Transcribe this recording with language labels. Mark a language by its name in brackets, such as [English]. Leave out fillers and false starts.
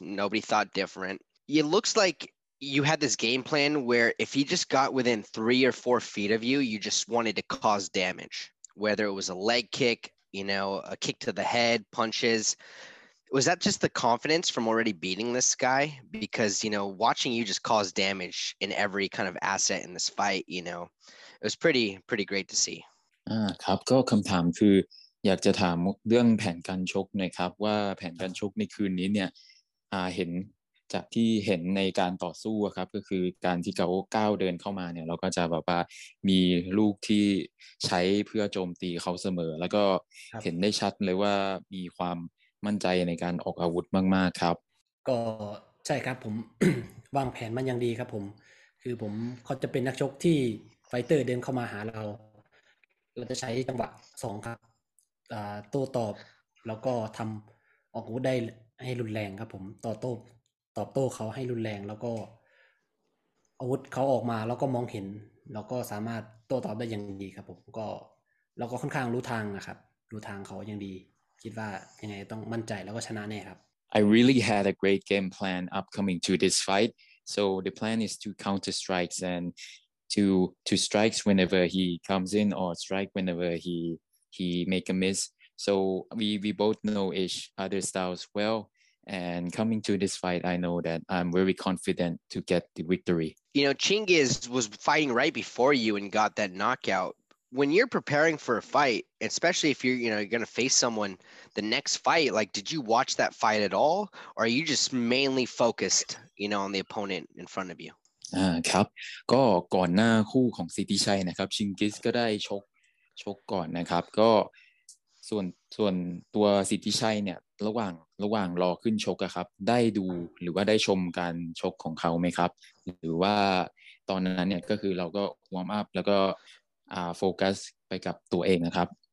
[English] Nobody thought different. It looks like you had this game plan where if he just got within 3 or 4 feet of you, you just wanted to cause damage, whether it was a leg kick, a kick to the head, punches. Was that just the confidence from already beating this guy? Because, watching you just cause damage in every kind of asset in this fight, it was pretty great to see. [Thai] ครับก็คำถามคืออยากจะถามเรื่องแผนการชกหน่อยครับว่าแผนการชกในคืนนี้เนี่ยเห็นจากที่เห็นในการต่อสู้ครับก็คือการที่เขาก้าวเดินเข้ามาเนี่ยเราก็จะแบบว่ามีลูกที่ใช้เพื่อโจมตีเขาเสมอแล้วก็เห็นได้ชัดเลยว่ามีความมั่นใจในการออกอาวุธมากๆครับ ก็ใช่ครับผม วางแผนมันอย่างดีครับผมคือผมเขาจะเป็นนักชกที่ไฟเตอร์เดินเข้ามาหาเราเราจะใช้จังหวะ2ครับโต้ตอบแล้วก็ทำออกอาวุธได้ให้รุนแรงครับผมตอบโต้เขาให้รุนแรงแล้วก็อาวุธเขาออกมาแล้วก็มองเห็นแล้วก็สามารถโต้ตอบได้อย่างดีครับผมก็เราก็ค่อนข้างรู้ทางนะครับรู้ทางเขาอย่างดีคิดว่ายังไงต้องมั่นใจแล้วก็ชนะแน่ครับ [English] I really had a great game plan upcoming to this fight so the plan is to counter strikes and to strikes whenever he comes in or strike whenever he make a miss so we both know each other styles well and coming to this fight I know that I'm very confident to get the victory Chingiz was fighting right before you and got that knockoutWhen you're preparing for a fight, especially if you're going to face someone the next fight, like, did you watch that fight at all? Or are you just mainly focused, on the opponent in front of you? [Thai] ครับก็ก่อนหน้าคู่ของสิทธิชัยนะครับชิงกิสก็ได้ชกก่อนนะครับก็ส่วนตัวสิทธิชัยเนี่ยระหว่างรอขึ้นชกครับได้ดูหรือว่าได้ชมการชกของเขาไหมครับหรือว่าตอนนั้นเนี่ยก็คือเราก็วอร์มอัพแล้วก็โฟกัสไปกับตัวเองนะครับ